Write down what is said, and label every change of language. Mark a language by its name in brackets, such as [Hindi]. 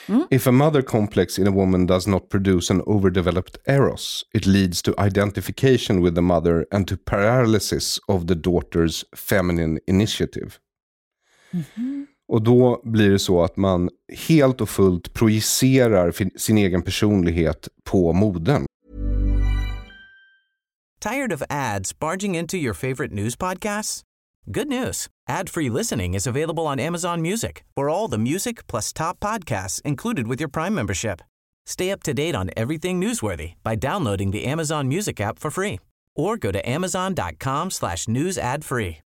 [English] If a mother complex in a woman does not produce an overdeveloped eros, it leads to identification with the mother and to paralysis of the daughter's feminine initiative. Mm-hmm. [Swedish] Och då blir det så att man helt och fullt projicerar sin egen personlighet på modern. [English] Tired of ads barging into your favorite news podcasts? Good news. Ad-free listening is available on Amazon Music for all the music plus top podcasts included with your Prime membership. Stay up to date on everything newsworthy by downloading the Amazon Music app for free or go to amazon.com/newsadfree.